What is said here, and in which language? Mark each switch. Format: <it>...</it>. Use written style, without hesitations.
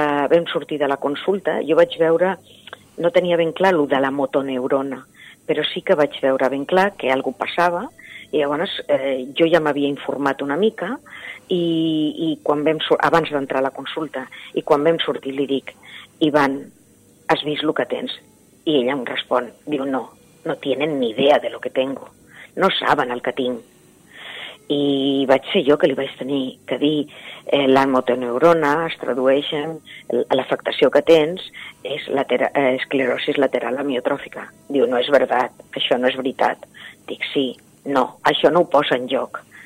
<ca>vam sortir de la consulta, jo vaig veure, no tenia ben clar lo de la motoneurona, però sí que vaig veure ben clar que algo passava, i llavors jo ja m'havia informat una mica, i quan vam abans d'entrar a la consulta, i quan vam sortir li dic, Ivan, has vist el que tens? I ella em respon, diu,</ca> <es>no, no tienen ni idea de lo que tengo,</es> <ca>no saben el que tinc. I vaig ser jo que li vaig tenir que dir, la motoneurona es tradueix en l'afectació que tens, és esclerosis lateral amiotròfica. Diu, no és veritat, això no és veritat. Dic, sí, no, això no ho posa en joc.</ca>